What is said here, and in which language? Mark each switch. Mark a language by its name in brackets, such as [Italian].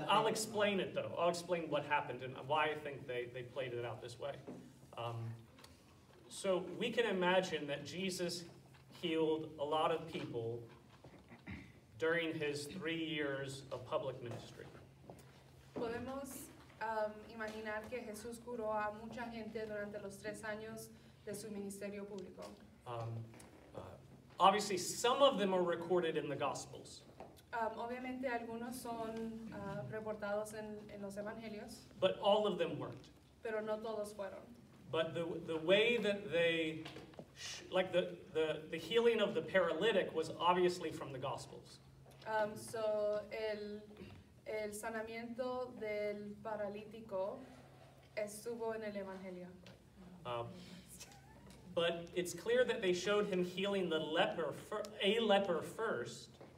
[English] I'll explain it, though. I'll explain what happened and why I think they played it out this way. So we can imagine that Jesus healed a lot of people during his 3 years of public ministry. [Spanish] Podemos imaginar que Jesús curó a mucha gente durante los 3 años de su ministerio público. [English] Obviously, some of them are recorded in the Gospels. [Spanish] Obviamente, algunos son reportados en los Evangelios. [English] But all of them weren't. [Spanish] Pero no todos fueron. [English] But the way that they, like the healing of the paralytic was obviously from the Gospels. So [Spanish] el sanamiento del paralítico estuvo en el Evangelio. [English] But it's clear that they showed him healing the leper, a leper first.